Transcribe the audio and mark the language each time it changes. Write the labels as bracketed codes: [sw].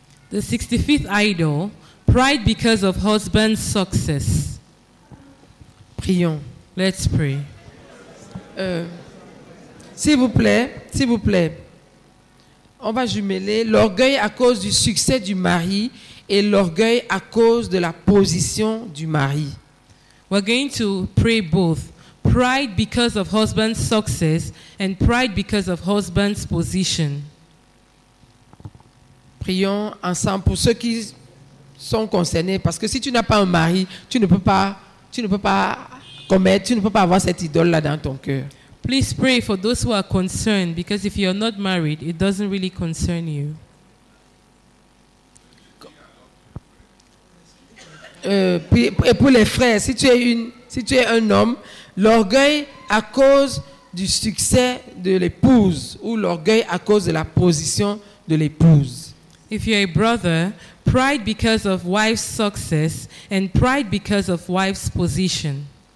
[en] The 65th idol, pride because of husband's success. [fr] Prions. [en] Let's pray. [fr] S'il vous plaît, on va jumeler l'orgueil à cause du succès du mari et l'orgueil à cause de la position du mari. [en] We're going to pray both. Pride because of husband's success and pride because of husband's position. [fr] Prions ensemble pour ceux qui sont concernés, parce que si tu n'as pas un mari, tu ne peux pas commettre, tu ne peux pas avoir cette idole là dans ton cœur. [en] Please pray for those who are concerned, because if you are not married, it doesn't really concern you. [fr] Et pour les frères, si tu es un homme, l'orgueil à cause du succès de l'épouse ou l'orgueil à cause de la position de l'épouse. [en] If you are a brother, pride because of wife's success and pride because of wife's position.